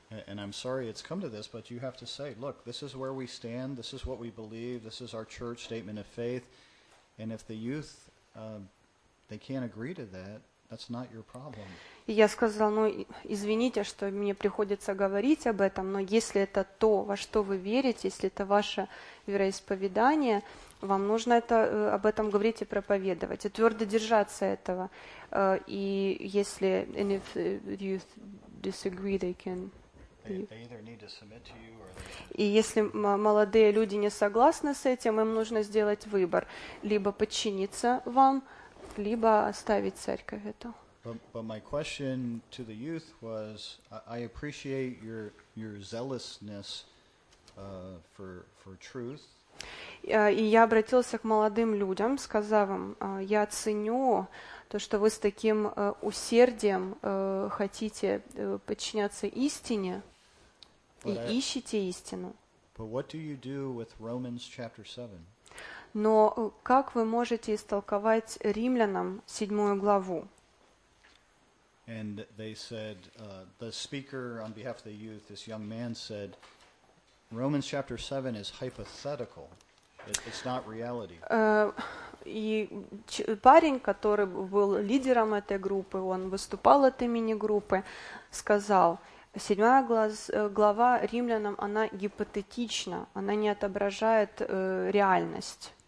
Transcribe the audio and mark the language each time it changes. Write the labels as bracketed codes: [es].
[en] And I'm sorry it's come to this, but you have to say, look, this is where we stand, this is what we believe, this is our church statement of faith, and if the youth they can't agree to that, that's not your problem. [ru] И я сказал, ну, извините, что мне приходится говорить об этом, но если это то, во что вы верите, если это ваше вероисповедание, вам нужно это, об этом говорить и проповедовать, и твердо держаться этого. И если [en] and if youth disagree, they can. They either need to submit to you or. [ru] И если молодые люди не согласны с этим, им нужно сделать выбор: либо подчиниться вам, либо оставить церковь эту. [en] But my question to the youth was, I appreciate your zealousness for truth. [ru] И я обратился к молодым людям, сказав им: я ценю то, что вы с таким усердием хотите подчиняться истине и ищете истину. [en] But what do you do with Romans chapter 7? [ru] Но как вы можете истолковать Римлянам 7 главу? [en] And they said, the speaker on behalf of the youth, this young man said, Romans chapter 7 is hypothetical. It's not reality. [ru] И парень, который был лидером этой группы, он выступал от имени группы, сказал: седьмая глава Римлянам, она гипотетична, она не отображает реальность.